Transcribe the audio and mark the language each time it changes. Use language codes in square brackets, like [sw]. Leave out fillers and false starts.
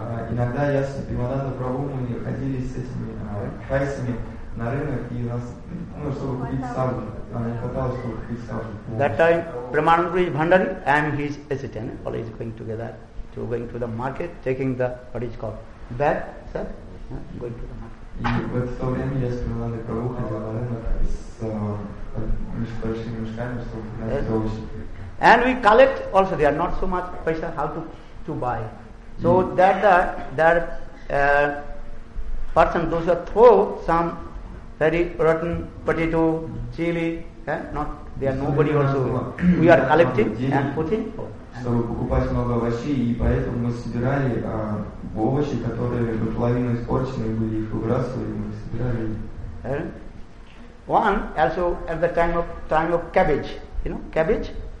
[ru] Иногда я с Примананда Прабху, мы ходили с этими тайцами на рынок, и нас, ну, чтобы купить саджу, не хватало, чтобы купить саджу. [en] That time Примананда is Bhandari, I am his assistant, all is going together, to going to the market, taking the, what is called, bag, sir, going to the market. [ru] И в это время я с Примананда Прабху ходил на рынок с большими мешками, чтобы купить овощи. [en] And we collect also, there are not so much paisa, how to buy. So that person, those who throw some very rotten potato, chili, not there nobody also. We are collecting and putting. [ru] Чтобы покупать много овощей, и поэтому мы собирали овощи, которые до половины испорчены были, их выбрасывали, мы собирали. [en] One also at the time of cabbage, you know, cabbage.